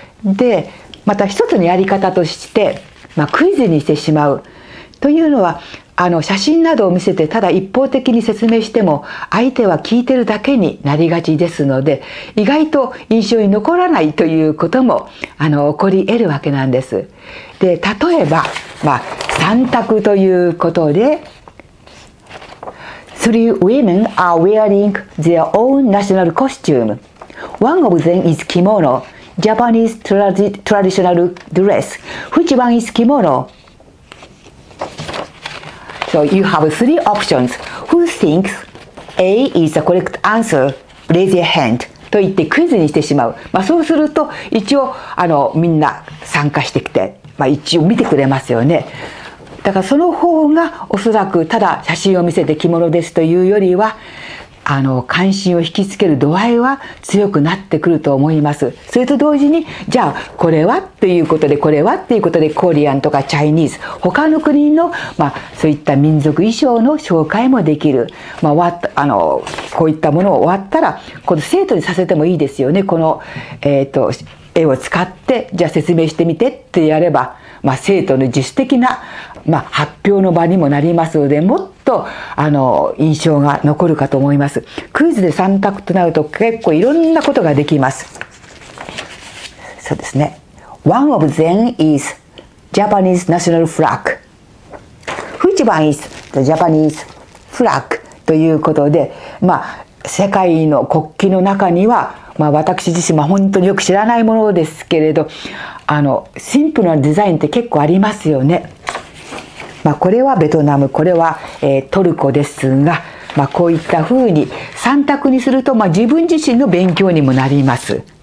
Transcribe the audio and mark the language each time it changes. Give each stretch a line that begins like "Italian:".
Japanese: で、また一つのやり方として、クイズにしてしまうというのは、写真などを見せてただ一方的に説明しても相手は聞いてるだけになりがちですので、意外と印象に残らないということも起こり得るわけなんです。で、例えば、三択ということで、
English: Three women are wearing their own national costume. One of them is kimono, Japanese traditional dress. Which one is kimono? So you have three options. Who thinks A is the correct answer? Raise your hand.
Japanese: と言ってクイズにしてしまう。まあそうすると一応みんな参加してきて、まあ一応見てくれますよね。だからその方がおそらくただ写真を見せて着物ですというよりは関心を引きつける度合いは強くなってくると思います。それと同時にじゃあこれはということでコリアンとかチャイニーズ他の国の、まあ、そういった民族衣装の紹介もできる、まあ、こういったものを終わったらこの生徒にさせてもいいですよね。この、絵を使ってじゃあ説明してみてってやれば、まあ、生徒の自主的な、まあ、発表の場にもなりますのでもっと印象が残るかと思います。クイズで3択となると結構いろんなことができます。そうですね。
English: One of them is Japanese national flag. Which one is the Japanese flag?
Japanese: ということで、まあ、世界の国旗の中にはまあ、私自身も本当によく知らないものですけれどシンプルなデザインって結構ありますよね。まあ、これはベトナム、これは、トルコですが、まあ、こういったふうに三択にすると、まあ、自分自身の勉強にもなります。